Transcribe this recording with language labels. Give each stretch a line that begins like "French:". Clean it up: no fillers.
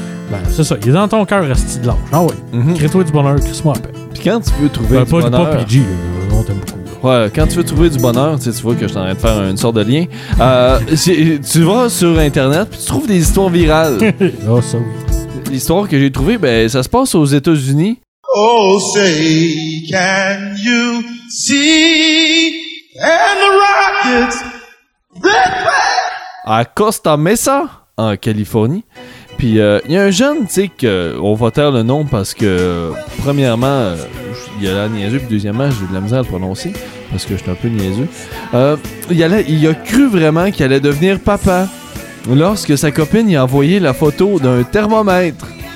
French: Ben, c'est ça, il est dans ton cœur, resti de l'ange. Ah oui, crée-toi du bonheur, crée-moi la paix. Puis quand tu veux trouver du bonheur... Pas PG, on t'aime beaucoup. Ouais, quand tu veux trouver du bonheur, tu sais, tu vois que je suis en train de faire une sorte de lien. tu vas sur Internet, puis tu trouves des histoires virales. Ah, oh, ça oui. L'histoire que j'ai trouvée, ben, ça se passe aux États-Unis.
English: Oh, say, can you see and the rockets red flag?
French: À Costa Mesa, en Californie. Puis, il y a un jeune, tu sais, qu'on va taire le nom parce que, premièrement, il y a la niaiseux, puis deuxièmement, j'ai eu de la misère à le prononcer parce que j'étais un peu niaiseux. Il a cru vraiment qu'il allait devenir papa lorsque sa copine y a envoyé la photo d'un thermomètre.